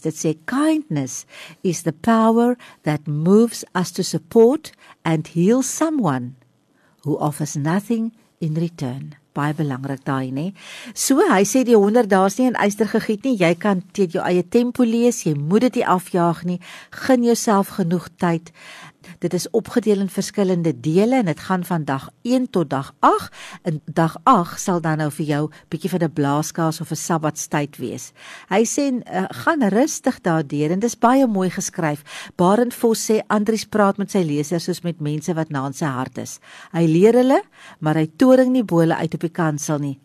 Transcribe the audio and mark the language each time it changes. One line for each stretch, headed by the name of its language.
Afrikaans: Dit sê,
English: kindness is the power that moves us to support and heal someone who offers nothing in return.
Afrikaans: Baie belangrik daai, nê? So, hy sê die 100 dae is nie in yster gegiet nie, jy kan teen jou eie tempo lees, jy moet dit nie afjaag nie, gun jouself genoeg tyd. Dit is opgedeel in verskillende dele en dit gaan van dag 1 tot dag 8. En dag 8 sal dan nou vir jou bietjie van 'n blaaskaas of 'n sabbatstyd wees. Hy sê, gaan rustig daardeur en dis baie mooi geskryf. Barend Vos sê, Andries praat met sy lesers soos met mense wat na in sy hart is. Hy leer hulle, maar hy toring nie bole uit op die kansel nie.